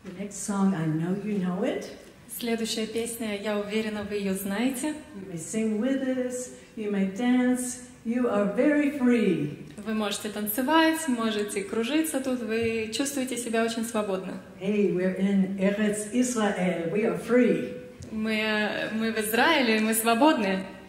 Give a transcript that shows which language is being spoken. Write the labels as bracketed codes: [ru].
[en] Song, I know you know it. [ru] Следующая песня, я уверена, вы ее знаете. [en] You may sing with us, you may dance, you are very free. [ru] Вы можете танцевать, можете кружиться тут, вы чувствуете себя очень свободно. [en] Hey, we're in Eretz Israel, we are free. [ru] Мы в Израиле, мы свободны.